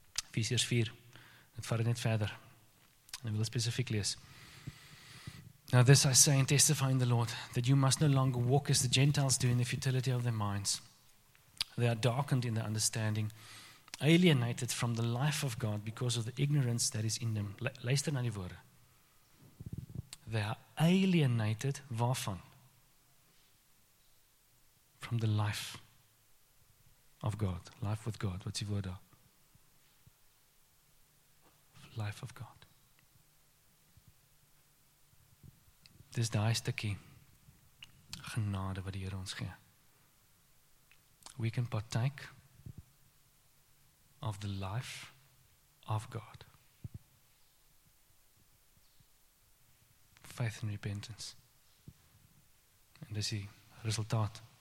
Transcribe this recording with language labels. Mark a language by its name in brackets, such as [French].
[Afrikaans] Ephesians 4, het vat net verder. En wil specifiek lees. [English] Now this I say and testify in the Lord, that you must no longer walk as the Gentiles do in the futility of their minds. They are darkened in their understanding, alienated from the life of God because of the ignorance that is in them. [Afrikaans] Luister na die woorde. [English] They are alienated, [Afrikaans] waarvan? [English] From the life of God. Life with God, [Afrikaans] wat is die woord daar? [English] Life of God. [Afrikaans] Dis die stukkie genade wat die Here ons gee. [English] we can partake of the life of God. Faith and repentance. [Afrikaans] En dis die resultaat.